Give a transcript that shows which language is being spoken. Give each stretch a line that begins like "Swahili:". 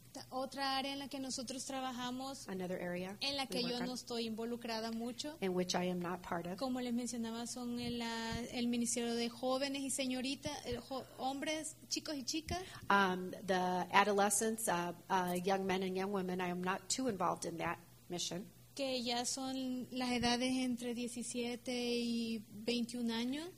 Spanish: otra área en la que nosotros trabajamos,
English: another area
Spanish: en la que yo no estoy involucrada mucho,
English: in which I am not part of,
Spanish: como les mencionaba, son el ministerio de jóvenes y señoritas, hombres, chicos y chicas.
English: The adolescents, young men and young women, I am not too involved in that mission.
Spanish: Que ya son las edades entre 17 y 21 años.